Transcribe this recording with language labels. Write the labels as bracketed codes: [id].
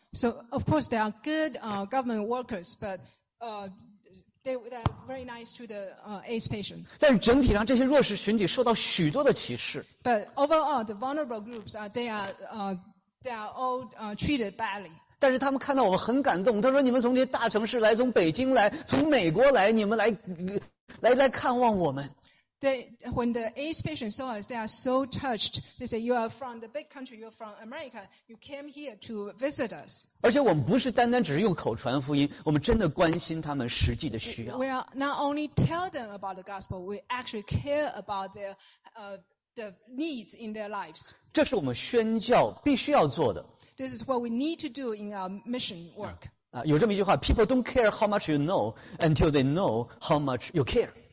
[en] So of course they are good government workers, but they are very nice to the AIDS patients. [zh] 但是整体上这些弱势群体受到许多的歧视。 [en] But overall the vulnerable groups are they are all treated badly. [zh] 但是他们看到我们很感动，他说你们从这些大城市来，从北京来，从美国来，你们来看望我们。 [en] They, when the AIDS patients saw us, they are so touched. They say, you are from the big country, you are from America, you came here to visit us. [zh] 而且我们不是单单只是用口传福音，我们真的关心他们实际的需要。 [en] We are not only tell them about the gospel, we actually care about their, the needs in their lives. [zh] 这是我们宣教必须要做的。 [en] This is what we need to do in our mission work. [zh] 有这么一句话， [en] people don't care how much you know until they know how much you care.